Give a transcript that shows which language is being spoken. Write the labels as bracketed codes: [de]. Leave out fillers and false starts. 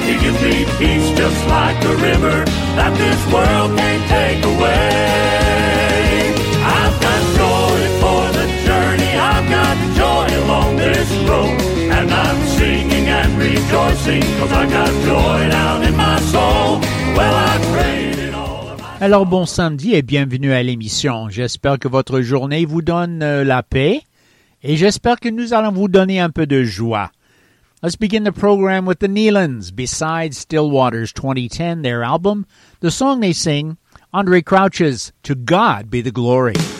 [en] He gives me peace just like a river that this world can't take away. I've got joy for the journey, I've got joy along this road, and I'm singing and rejoicing, cause I got joy down in my soul. Well, I pray. [fr] Alors bon samedi et bienvenue à l'émission. J'espère que votre journée vous donne la paix et j'espère que nous allons vous donner un peu de joie. [en] Let's begin the program with the Neelands. Besides Stillwater's 2010, their album, the song they sing, Andre Crouch's To God Be the Glory.